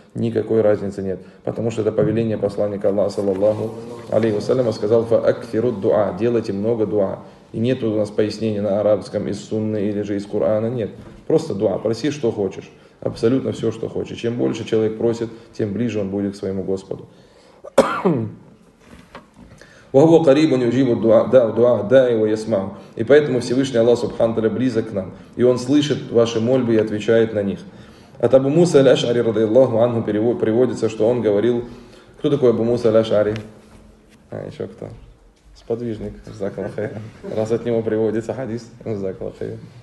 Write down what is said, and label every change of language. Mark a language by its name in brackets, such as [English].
[Russian] Никакой разницы нет. Потому что это повеление посланника Аллаха, саллаллаху алейхи ва саллям, сказал: [Arabic] «Фа-акфиру дуа», [Russian] делайте много дуа. И нет у нас пояснений на арабском из сунны или же из Корана. Нет. Просто дуа. Проси, что хочешь. Абсолютно все, что хочешь. Чем больше человек просит, тем ближе он будет к своему Господу. [Arabic] وهو قريب يجيب الدعاء دعاء الداعي ويسمع. [Russian] И поэтому Всевышний Аллах Субхану ва Тааля близок к нам, и он слышит ваши мольбы и отвечает на них. От Абу Муса аль-Ашари радиаллаху анху приводится, что он говорил. Кто такой Абу Муса аль-Ашари? А еще кто? Сподвижник, [Arabic] жзак аллах хайр. [Russian] Раз от него приводится хадис, [Arabic] жзак аллах хайр.